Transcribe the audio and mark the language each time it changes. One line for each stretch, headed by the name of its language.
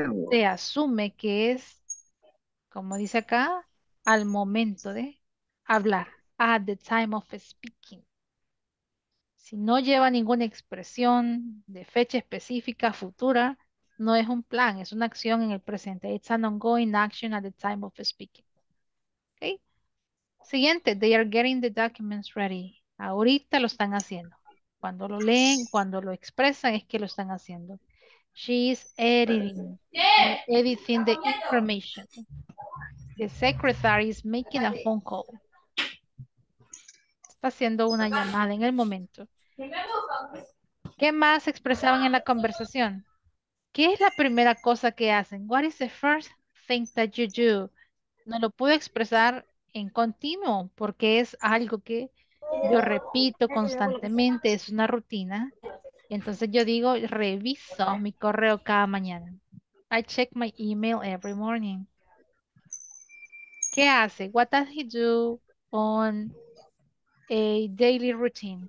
Spanish: Se asume que es, como dice acá, al momento de hablar.
English: At the time of speaking.
Spanish: Si no lleva ninguna expresión de fecha específica, futura, no es un plan, es una acción en el presente.
English: It's an ongoing action at the time of speaking.
Spanish: Siguiente,
English: they are getting the documents ready.
Spanish: Ahorita lo están haciendo. Cuando lo leen, cuando lo expresan, es que lo están haciendo.
English: She's editing. Editing the information. The secretary is making a phone call.
Spanish: Está haciendo una llamada en el momento. ¿Qué más expresaban en la conversación? ¿Qué es la primera cosa que hacen?
English: What is the first thing that you do?
Spanish: No lo pude expresar en continuo, porque es algo que yo repito constantemente, es una rutina. Entonces yo digo, reviso mi correo cada mañana.
English: I check my email every morning.
Spanish: ¿Qué hace?
English: What does he do on a daily routine?